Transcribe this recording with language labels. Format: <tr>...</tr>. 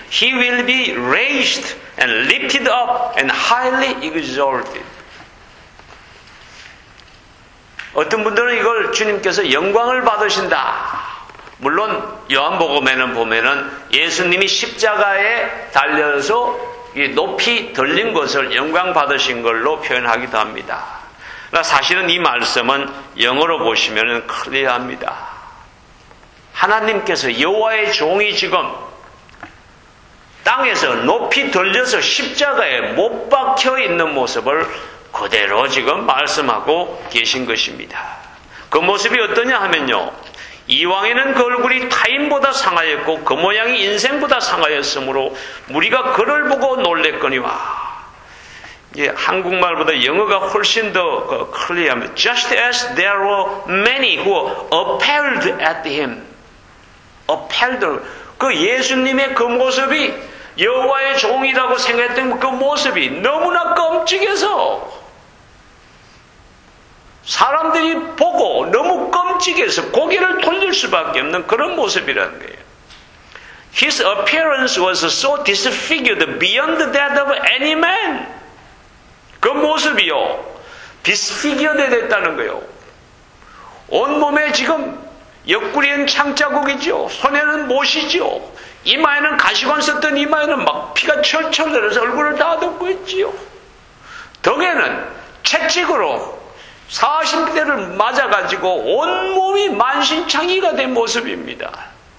<en>He will be raised and lifted up and highly exalted.</en> <ko>어떤 분들은 이걸 주님께서 영광을 받으신다. 물론 요한복음에는 보면은 예수님이 십자가에 달려서 높이 들린 것을 영광 받으신 걸로 표현하기도 합니다. 사실은 이 말씀은 영어로 보시면은 클리어합니다. 하나님께서 여호와의 종이 지금 땅에서 높이 들려서 십자가에 못 박혀 있는 모습을 그대로 지금 말씀하고 계신 것입니다. 그 모습이 어떠냐 하면요. 이왕에는 그 얼굴이 타인보다 상하였고 그 모양이 인생보다 상하였으므로 우리가 그를 보고 놀랬거니와 예, 한국말보다 영어가 훨씬 더 클리어합니다.</ko> <en>Just as there were many who appealed at him. Appealed.</en> <ko>그 예수님의 그 모습이 여호와의 종이라고 생각했던 그 모습이 너무나 끔찍해서 사람들이 보고 너무 끔찍해서 고개를 돌릴 수밖에 없는 그런 모습이라는 거예요.</ko> <en>His appearance was so disfigured beyond that of any man.</en> <ko>그 모습이요. Disfigured 됐다는 거예요. 온몸에 지금 옆구리엔 창자국이죠. 손에는 못이죠. 이마에는 가시관 썼던 이마에는 막 피가 철철 내려서 얼굴을 다 덮고 있지요. 등에는 채찍으로 40대를 맞아가지고 온몸이 만신창이가 된 모습입니다.</ko>